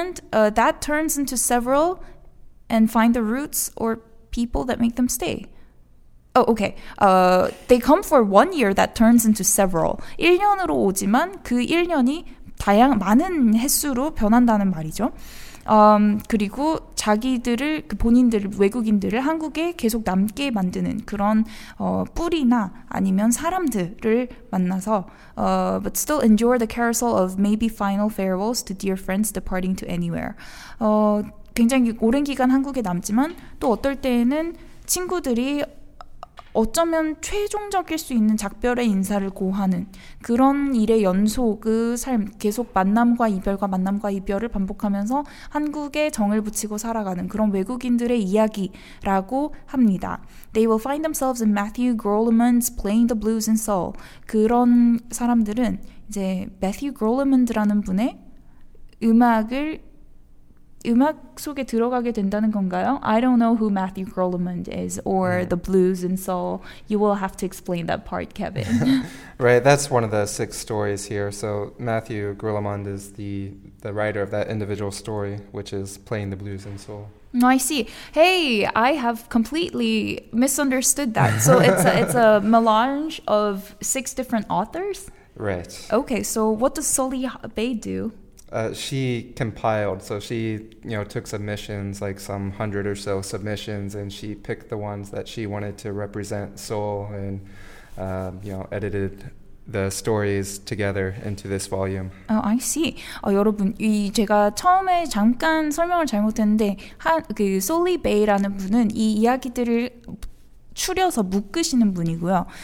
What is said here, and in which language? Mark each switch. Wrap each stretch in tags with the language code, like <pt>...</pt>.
<en>That turns into several and find the roots or people that make them stay. Oh, okay. They come for one year that turns into several.</en> <ko>1년으로 오지만 그 1년이 많은 횟수로 변한다는 말이죠. 그리고 자기들을 그 본인들을 외국인들을 한국에 계속 남게 만드는 그런 뿌리나 아니면 사람들을 만나서</ko> <en>but still endure the carousel of maybe final farewells to dear friends departing to anywhere.</en> <ko>굉장히 오랜 기간 한국에 남지만 또 어떨 때에는 친구들이 어쩌면 최종적일 수 있는 작별의 인사를 고하는 그런 일의 연속의 삶, 계속 만남과 이별과 만남과 이별을 반복하면서 한국에 정을 붙이고 살아가는 그런 외국인들의 이야기라고 합니다.</ko> <en>They will find themselves in Matthew Groleman's Playing the Blues in Seoul.</en> <ko>그런 사람들은 이제 Matthew Groleman이라는 분의 음악 속에 들어가게 된다는 건가요?</ko> <en>I don't know who Matthew Groleman is or the blues in Seoul. You will have to explain that part, Kevin. Right, that's one of the six stories here. So Matthew Groleman is the writer of that individual story, which is playing the blues in Seoul. No, I see. Hey, I have completely misunderstood that. So it's a melange of six different authors? Right. Okay, so what does Sully Bay do? She compiled, so she, you know, took submissions, like some 100 or so submissions, and she picked the ones that she wanted to represent Seoul and, you know, edited the stories together into this volume. Oh, I see.</en> <ko>여러분, 제가 처음에 잠깐 설명을 잘못했는데, 그 Sully Bay라는 분은 이 이야기들을 추려서 묶으시는 분이고요.</ko>